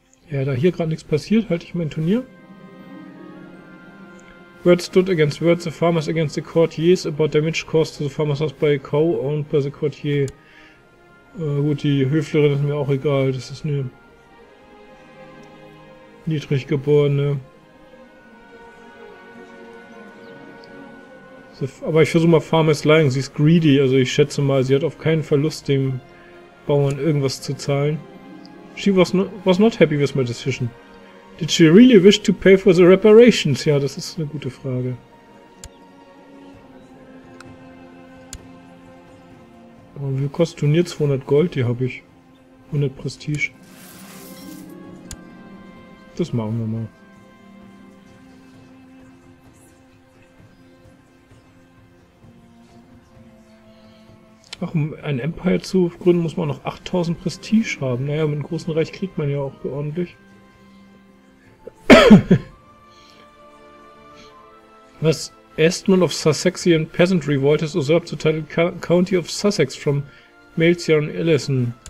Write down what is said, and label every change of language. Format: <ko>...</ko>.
<de>Ja, da hier gerade nichts passiert, halte ich mein Turnier.</de> <en>Words stood against words, the farmers against the courtiers, about damage caused to the farmers house by a cow owned by the courtier.</en> <de>Gut, die Höflerin ist mir auch egal, das ist eine niedriggeborene. Aber ich versuche mal Farmers Lying, sie ist greedy, also ich schätze mal, sie hat auf keinen Fall Lust, dem Bauern irgendwas zu zahlen.</de> <en>She was not happy with my decision. Did she really wish to pay for the reparations?</en> <de>Ja, das ist eine gute Frage. Aber wie kostet Turnier 200 Gold? Die habe ich. 100 Prestige. Das machen wir mal. Ach, um ein Empire zu gründen, muss man noch 8000 Prestige haben. Naja, mit dem großen Reich kriegt man ja auch ordentlich. Was?</de> <en>Estman of Sussexian Peasant Revolt has usurped the title County of Sussex from Melchior and Ellison.</en>